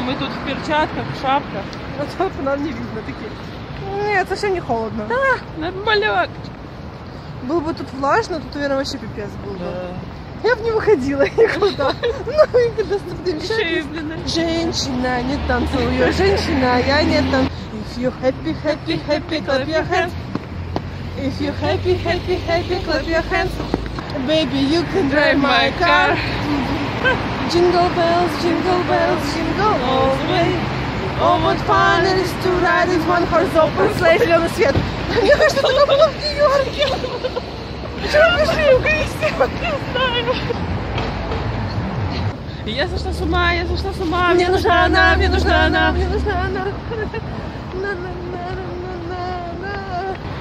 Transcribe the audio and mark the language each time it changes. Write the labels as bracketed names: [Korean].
[Russian] Мы тут в перчатках, в шапках. Вот тут нам не видно. Такие. Нет, совсем не холодно. Да, нормалёк. Было бы тут влажно, тут, наверное, вообще пипец был бы. Да. Я бы не выходила никуда. Ну, и достопримечательность. Женщина, не танцую. Женщина, я не танцую. [English] If you happy, happy, happy, clap your hands. If you happy, happy, happy, clap your hands. Baby, you can drive my car. Jingle bells, jingle bells, jingle all the way. Oh, what fun it is to ride with one horse open sleigh. [Russian] Зелёный свет. Мне кажется, это было в Нью-Йорке. Почему мы шли в Кристи? Не знаю. Я сошла с ума, я сошла с ума. Мне нужна она, мне нужна она, мне нужна она. На-на-на-на-на-на.